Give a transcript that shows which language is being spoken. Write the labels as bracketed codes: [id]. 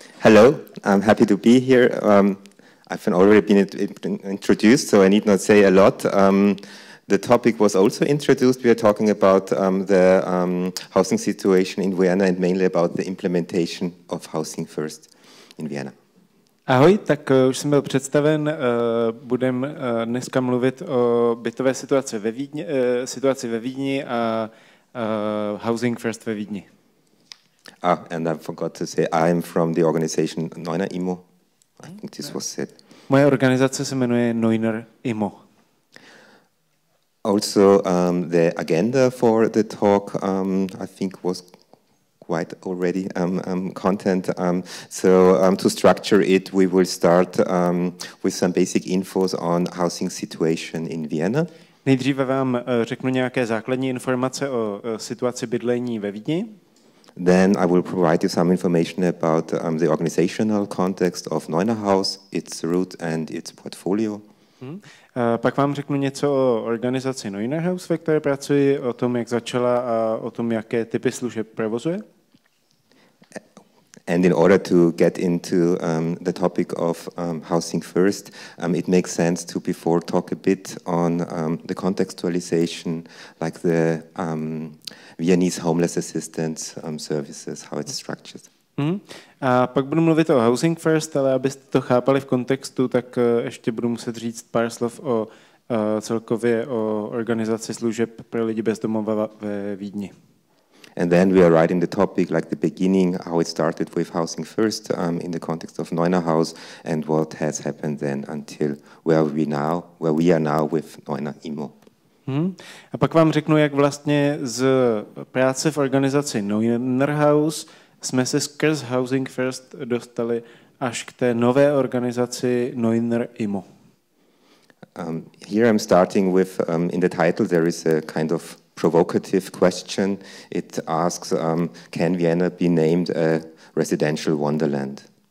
[en] Hello, I'm happy to be here. I've already been introduced, so I need not say a lot. The topic was also introduced. We are talking about the housing situation in Vienna and mainly about the implementation of Housing First in Vienna. [cs] Ahoj, tak už jsem byl představen, budem dneska mluvit o bytové situaci ve Vídni, situaci ve Vídni a Housing First ve Vídni. [en] Ah, and I forgot to say, I am from the organization Neuner IMO. I think this was said. [cs] Moje organizace se jmenuje Neuner IMO. [en] Also, the agenda for the talk, I think was quite already content. So to structure it, we will start with some basic infos on housing situation in Vienna. [cs] Nejdříve vám řeknu nějaké základní informace o situaci bydlení ve Vídni. [en] Then I will provide you some information about the organizational context of Neuner House, its route and its portfolio. [cs] Pak vám řeknu něco o organizaci Neuner House, ve které pracuji, o tom, jak začala a o tom, jaké typy služeb provozuje. [en] And in order to get into the topic of Housing First, it makes sense to before talk a bit on the contextualization, like the Viennese homeless assistance services, how it's structured. Mm-hmm. [cs] A pak budu mluvit o Housing First, ale abyste to chápali v kontextu, tak ještě budu muset říct pár slov o celkově o organizaci služeb pro lidi bezdomova ve Vídni. [en] And then we are right in the topic, like the beginning, how it started with Housing First in the context of Neuner House and what has happened then until where we are now with Neuner IMO. Mm-hmm. [cs] A pak vám řeknu, jak vlastně z práce v organizaci Neuner House jsme se skrz Housing First dostali až k té nové organizaci Neuner IMO. [en] Here I'm starting with, in the title, there is a kind of provocative question. It asks, can Vienna be named a residential wonderland?